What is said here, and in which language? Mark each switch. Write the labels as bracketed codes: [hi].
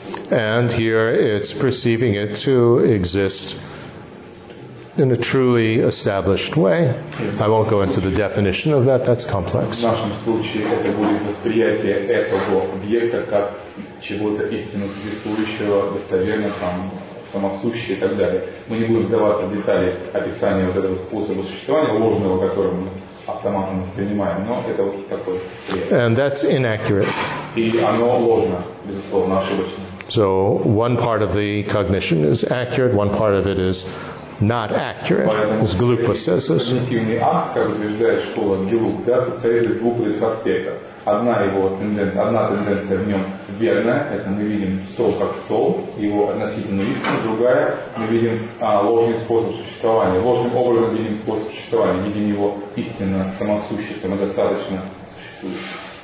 [en] And here it's perceiving it to exist in a truly established way. I won't go into the definition of that, that's complex. [ru] В нашем случае это будет восприятие этого объекта как чего-то истинно существующего, достоверно, там, самосущее и так далее. Мы не будем вдаваться в детали описания вот этого способа существования, ложного, которым мы автоматом воспринимаем, но это вот такое восприятие. [en] And that's inaccurate. [ru] И оно ложно, безусловно, ошибочно. [en] So one part of the cognition is accurate, one part of it is not accurate, as Gluck says this. [ru] Когнитивный акт, как утверждает школа Гилук, да, состоит из двух аспектов. Одна его тенденция, одна тенденция в нем верная, это мы видим стол как стол, его относительную истину, другая, мы видим ложный способ существования, ложным образом видим способ существования, видим его истинно, самосуще, самодостаточно существующее.